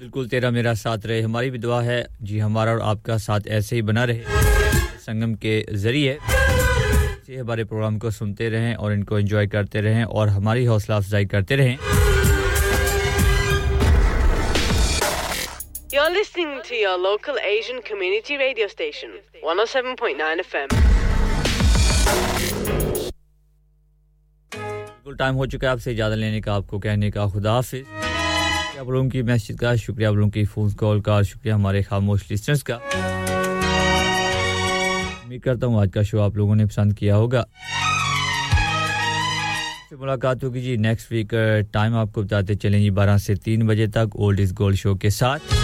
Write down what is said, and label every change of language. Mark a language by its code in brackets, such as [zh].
[hi] तेरा मेरा साथ रहे हमारी भी दुआ है जी हमारा और आपका साथ ऐसे ही बना रहे संगम के जरिए से हमारे प्रोग्राम को सुनते रहें और इनको एंजॉय करते रहें और हमारी हौसला अफजाई करते रहें [en] You're listening to your local Asian community radio station 107.9 FM [hi] बिल्कुल टाइम हो चुका है आपसे इजाजत लेने का आपको कहने का खुदा हाफिज आप लोगों की मैसेज का शुक्रिया आप लोगों की फोन कॉल का और शुक्रिया हमारे खामोश लिसनर्स का उम्मीद करता हूं आज का शो आप लोगों ने पसंद किया होगा फिर मुलाकात होगी जी नेक्स्ट वीक टाइम आपको बताते चलें जी 12 से 3 बजे तक ओल्ड इज गोल्ड शो के साथ